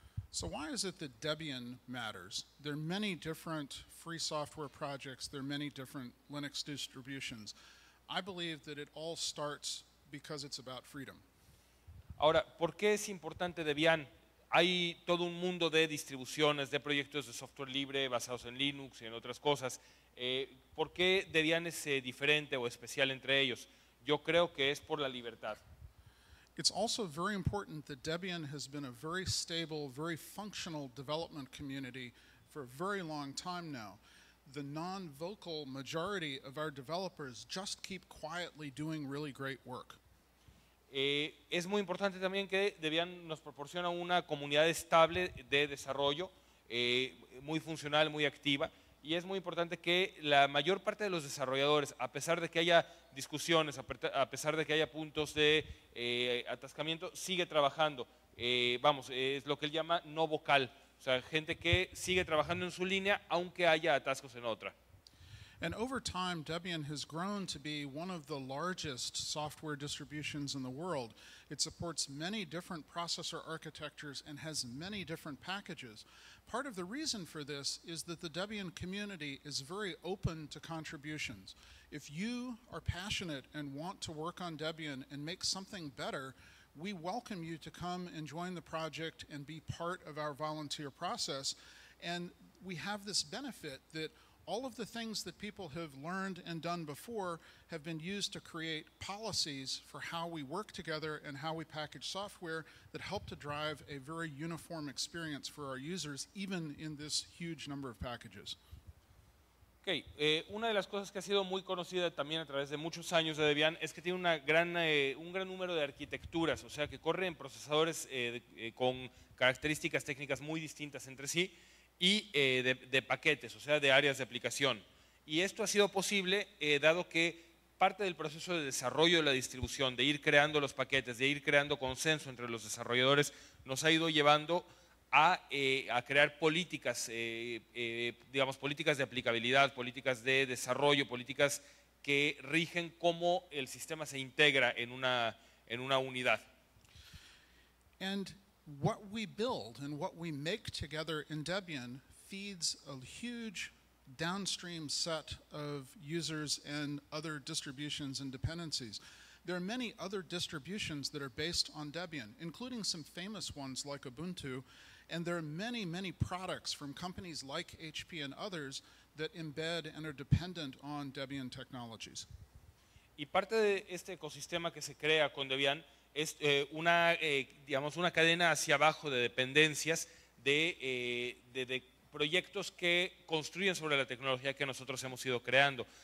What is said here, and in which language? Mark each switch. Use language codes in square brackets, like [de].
[en] So why is it that Debian matters? There are many different free software projects, there are many different Linux distributions. I believe that it all starts because it's about freedom. [es] Ahora, ¿por qué es importante Debian? Hay todo un mundo de distribuciones, de proyectos de software libre basados en Linux y en otras cosas. ¿Por qué Debian es diferente o especial entre ellos? Yo creo que es por la libertad. [en] It's also very important that Debian has been a very stable, very functional development community for a very long time now. The non-vocal majority of our developers just keep quietly doing really great work. [es] Es muy importante también que Debian nos proporciona una comunidad estable de desarrollo, muy funcional, muy activa. Y es muy importante que la mayor parte de los desarrolladores, a pesar de que haya discusiones, a pesar de que haya puntos de atascamiento, sigue trabajando. Vamos, es lo que él llama no vocal. O sea, gente que sigue trabajando en su línea, aunque haya atascos en otra. [en] And over time, Debian has grown to be one of the largest software distributions in the world. It supports many different processor architectures and has many different packages. Part of the reason for this is that the Debian community is very open to contributions. If you are passionate and want to work on Debian and make something better, we welcome you to come and join the project and be part of our volunteer process. And we have this benefit that all of the things that people have learned and done before have been used to create policies for how we work together and how we package software that help to drive a very uniform experience for our users, even in this huge number of packages. [es] Okay, una de las cosas que ha sido muy conocida también a través de muchos años de Debian es que tiene un gran número de arquitecturas, o sea, que corre en procesadores con características técnicas muy distintas entre sí y de paquetes, o sea, de áreas de aplicación. Y esto ha sido posible dado que parte del proceso de desarrollo de la distribución, de ir creando los paquetes, de ir creando consenso entre los desarrolladores, nos ha ido llevando a crear políticas, digamos, políticas de aplicabilidad, políticas de desarrollo, políticas que rigen cómo el sistema se integra en una unidad. [en] And what we build and what we make together in Debian feeds a huge downstream set of users and other distributions and dependencies. There are many other distributions that are based on Debian, including some famous ones like Ubuntu, and there are many, many products from companies like HP and others that embed and are dependent on Debian technologies. [es] Y parte de este ecosistema que se crea con Debian es digamos, una cadena hacia abajo de dependencias de proyectos que construyen sobre la tecnología que nosotros hemos ido creando.